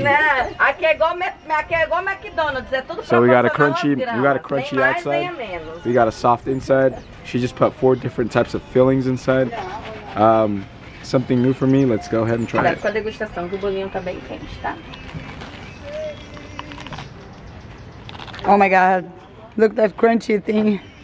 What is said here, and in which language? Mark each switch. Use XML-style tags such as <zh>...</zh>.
<en>So we got a crunchy, you got a crunchy outside. We got a soft inside. She just put four different types of fillings inside. Something new for me, let's go ahead and try it.</en> <pt>Olha, com a degustação, que o bolinho tá bem quente, tá?</pt> <en>Oh my god, look at that crunchy thing.</en>